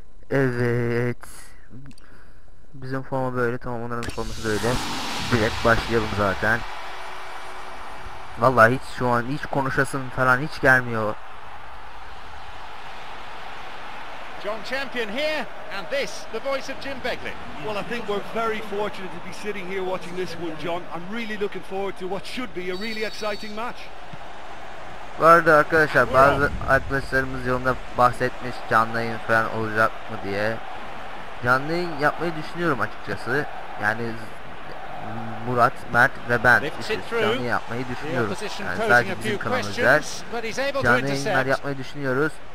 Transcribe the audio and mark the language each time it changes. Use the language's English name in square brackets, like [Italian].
[Turkish] Evet. Bizim forma böyle, tamam, onların forması böyle. Direkt başlayalım zaten. Vallahi hiç şu an hiç konuşasın falan hiç gelmiyor. [English] John Champion here and this the voice of Jim Begley. Well, I think we're very fortunate to be sitting here watching this one, John. I'm really looking forward to what should be a really exciting match. [Turkish] Bu arada arkadaşlar, bazı arkadaşlarımız yolunda bahsetmiş canlı yayın falan olacak mı diye. Canlı yayın yapmayı düşünüyorum açıkçası. Yani Murat, Mert ve ben canlı yapmayı düşünüyoruz. Yani sadece bizim kanalımızlar canlı yayınlar yapmayı düşünüyoruz.